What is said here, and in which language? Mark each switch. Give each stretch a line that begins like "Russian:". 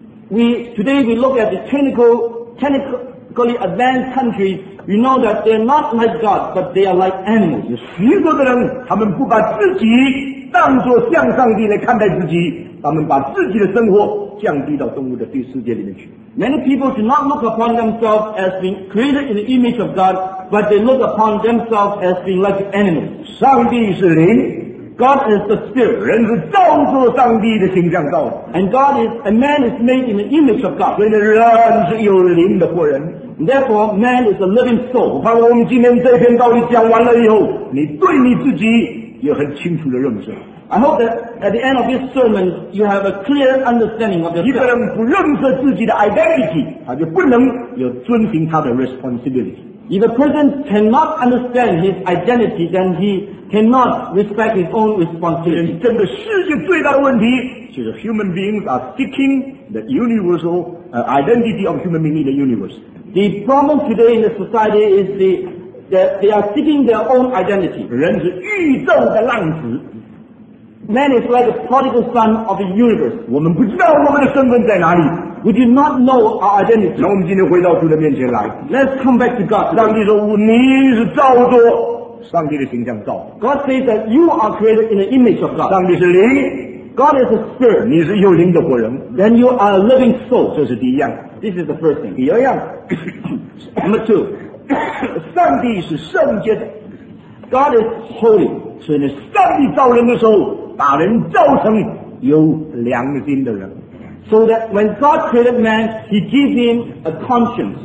English: Today we look at the technically advanced countries, we know that they are not like God, but they are like animals.
Chinese: 有许多的人，他们不把自己 当作像上帝来看待自己，他们把自己的生活降低到动物的世界里面去。
English: Many people do not look upon themselves as being created in the image of God, but they look upon themselves as being like animals.
Chinese: 上帝是灵，
English: God is the spirit.
Chinese: 人是照着上帝的形象造的。
English: And God is, a man is made in the image of God.
Chinese: 所以人是有灵的活人。
English: Therefore, man is a living soul.
Chinese: 我盼望我们今天这篇道理讲完了以后，你对你自己
English: I hope that at the end of this sermon, you have a clear understanding of yourself.
Chinese: 一个人不认识自己的 identity， 他就不能有遵循他的 responsibility。
English: If a person cannot understand his identity, then he cannot respect his own responsibility.
Chinese: 整个世界最大的问题就是
English: human beings are seeking the universal identity of human being in the universe. The problem today in the society is the that they are seeking their own identity.
Chinese: 人是宇宙的浪子。
English: Man is like a prodigal son of the universe.
Chinese: 我们不知道我们的身份在哪里。
English: We do not know our identity.
Chinese: 那我们今天回到主的面前来。
English: Let's come back to God.
Chinese: 上帝说，你是照着上帝的形象造。
English: God says that you are created in the image of God.
Chinese: 上帝是灵。
English: God is a spirit.
Chinese: 你是有灵的活人。
English: Then you are a living soul.
Chinese: 这是第一样。
English: This is the first thing.
Chinese: 第二样。
English: Number two.
Chinese: 上帝是圣洁的，
English: God is holy.
Chinese: 所以呢，上帝造人的时候，把人造成有良心的人。
English: So that when God created man, He gives him a conscience.